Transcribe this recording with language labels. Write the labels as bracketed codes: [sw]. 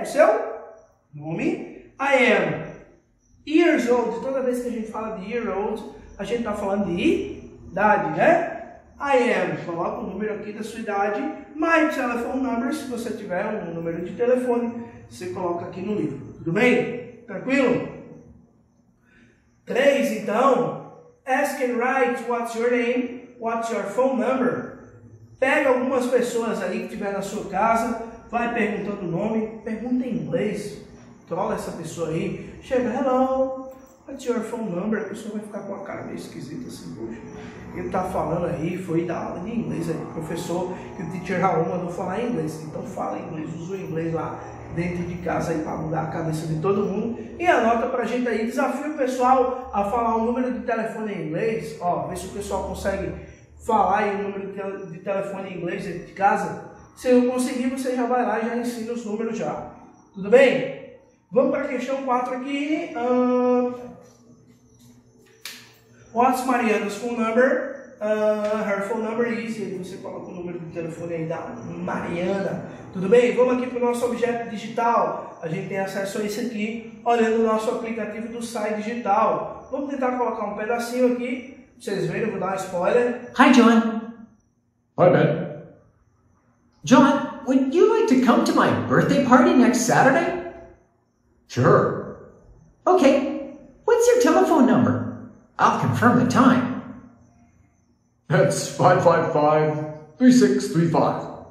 [pt] O seu nome. [en] I am years old. [pt] Toda vez que a gente fala de year old, a gente está falando de idade, né? [en] I am, [pt] coloca o número aqui da sua idade. [en] My telephone number, [pt] se você tiver um número de telefone, você coloca aqui no livro. Tudo bem? Tranquilo? 3, então. [en] Ask and write what's your name, what's your phone number. [pt] Pega algumas pessoas ali que tiver na sua casa, vai perguntando o nome, pergunta em inglês. Trola essa pessoa aí. [en] Chega, hello, what's your phone number? [pt] A pessoa vai ficar com a cara meio esquisita assim, poxa. Ele tá falando aí, foi da aula de inglês aí, professor, que o teacher Raul mandou falar inglês. Então fala inglês, usa o inglês lá dentro de casa aí pra mudar a cabeça de todo mundo. E anota pra gente aí, desafio o pessoal a falar o número de telefone em inglês. Ó, vê se o pessoal consegue falar aí o número de telefone em inglês dentro de casa. Se não conseguir, você já vai lá e já ensina os números já. Tudo bem? Vamos pra questão 4 aqui. [en] What's Mariana's phone number? Her phone number is, [pt] e aí você coloca o número de telefone aí da Mariana. Tudo bem? Vamos aqui para o nosso objeto digital. A gente tem acesso a esse aqui, olhando o nosso aplicativo do Sai Digital. Vamos tentar colocar um pedacinho aqui, vocês verem, vou dar um spoiler. [en] Hi, John. Hi, Ben. John, would you like to come to my birthday party next Saturday? Sure. Okay, what's your telephone number? I'll confirm the time. That's 555-3635.